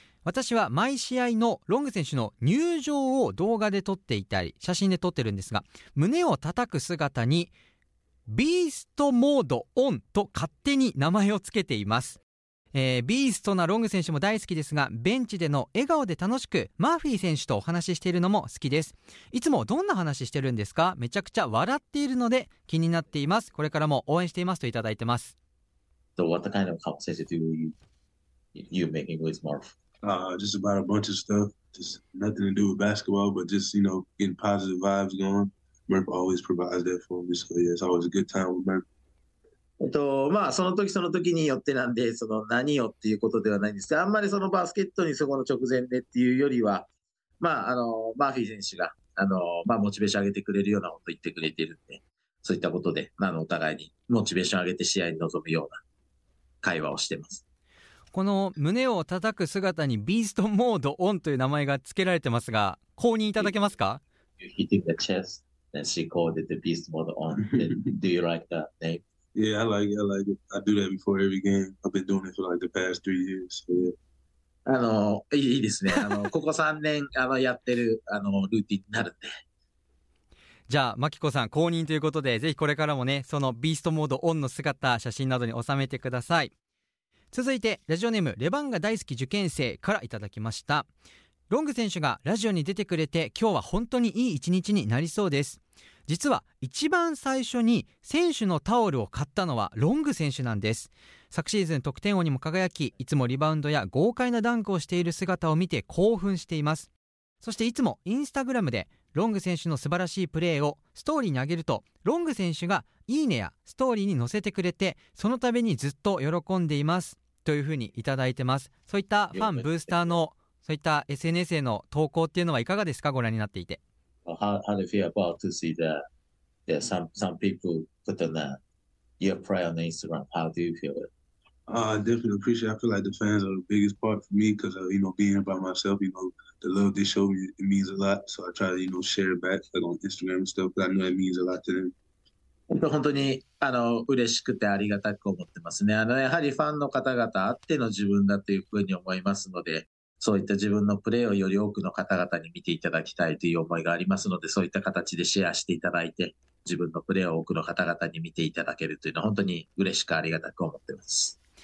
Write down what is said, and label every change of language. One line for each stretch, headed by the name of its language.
Japanese: 私は毎試合のロング選手の入場を動画で撮っていたり写真で撮ってるんですが、胸を叩く姿にビーストモードオンと勝手に名前をつけています。ビーストなロング選手も大好きですが、ベンチでの笑顔で楽しくマーフィー選手とお話ししているのも好きです。いつもどんな話してるんですか？めちゃくちゃ笑っているので気になっています。これからも応援していますといただいてます。
English: So what kind of conversation do you making with Marv? Just about a bunch of stuff, just nothing to do with basketball, but just, you know, getting positive vibes going. Murph always provides that for me, so yeah, it's always a good time with Murph.
Japanese: その時その時によってなんで、その何をっていうことではないんですが、あんまりそのバスケットにそこの直前でっていうよりは、マーフィー選手が、モチベーション上げてくれるようなこと言ってくれてるんで、そういったことで、お互いにモチベーション上げて試合に臨むような会話をしてます。この胸を叩く姿にビーストモードオンという名前が付けられてますが、公認いただけますか？
English: Hitting the chest, and she called it the beast mode on. Do you like that name? Yeah, I like it. I do that before every game. I've been doing it for like the past 3 years.
Japanese: いいですね。ここ3年やってるルーティンになるんで。じゃあ、マキコさん公認ということで、ぜひこれからもね、そのビーストモードオンの姿、写真などに収めてください。続いて、ラジオネーム、レバンが大好き受験生からいただきました。ロング選手がラジオに出てくれて、今日は本当にいい一日になりそうです。実は一番最初に選手のタオルを買ったのはロング選手なんです。昨シーズン得点王にも輝き、いつもリバウンドや豪快なダンクをしている姿を見て興奮しています。そしていつもインスタグラムでロング選手の素晴らしいプレーをストーリーに上げると、ロング選手がいいねやストーリーに載せてくれて、その度にずっと喜んでいますというふうにいただいてます。そういったファンブースターの、そういった SNS への投稿っていうのはいかがですか？ご覧になっていて。
English: How do you feel about to see that some people put on your prayer on Instagram? How do you feel? I definitely appreciate it. I feel like the fans are the biggest part for me because, being by myself, the love they show me, it means a lot. So I try to, share it back, on Instagram and stuff, but I know it means a lot to them.
Japanese: 本当に嬉しくてありがたく思ってますね。やはりファンの方々あっての自分だというふうに思いますので、そういった自分のプレーをより多くの方々に見ていただきたいという思いがありますので、そういった形でシェアしていただいて、自分のプレーを多くの方々に見ていただけるというのは本当に嬉しくありがたく思ってます。